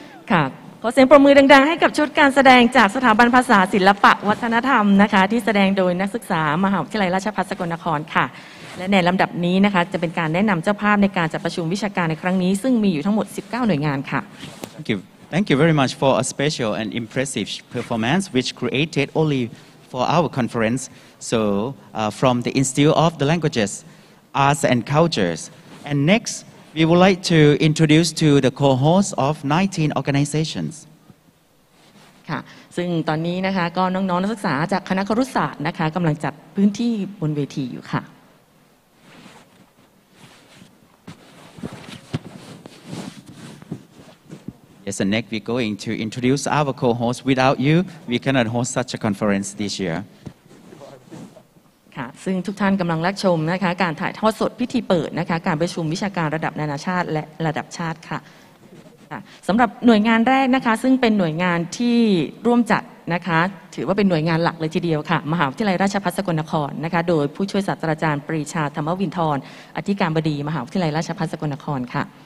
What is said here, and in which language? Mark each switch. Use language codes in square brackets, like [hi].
[th] ค่ะขอเสียงปรบมือดังๆให้กับชุดการแสดงจากสถาบันภาษาศิลปะวัฒนธรรมนะคะที่แสดงโดยนักศึกษามหาวิทยาลัยราชภัฏสกลนครค่ะและในลำดับนี้นะคะจะเป็นการแนะนำเจ้าภาพในการจัดประชุมวิชาการในครั้งนี้ซึ่งมีอยู่ทั้งหมด19หน่วยงานค่ะ [en] Thank you very much for a special and impressive performance which created only for our conference so from the Institute of the Languages Arts and Cultures and nextWe would like to introduce to the cohorts of 19 organizations. [th] ค่ะซึ่งตอนนี้นะคะก็น้องๆนักศึกษาจากคณะครุศาสตร์นะคะกำลังจัดพื้นที่บนเวทีอยู่ค่ะ [en] Yes, and next we're going to introduce our cohorts. Without you, we cannot host such a conference this year. [th] ค่ะซึ่งทุกท่านกำลังรับชมนะคะการถ่ายทอดสดพิธีเปิดนะคะการประชุมวิชาการระดับนานาชาติและระดับชาติค่ะสำหรับหน่วยงานแรกนะคะซึ่งเป็นหน่วยงานที่ร่วมจัดนะคะถือว่าเป็นหน่วยงานหลักเลยทีเดียวค่ะมหาวิทยาลัยราชภัฏสกลนครนะคะโดยผู้ช่วยศาสตราจารย์ปรีชาธรรมวินทร์อธิการบดีมหาวิทยาลัยราชภัฏสกลนครค่ะ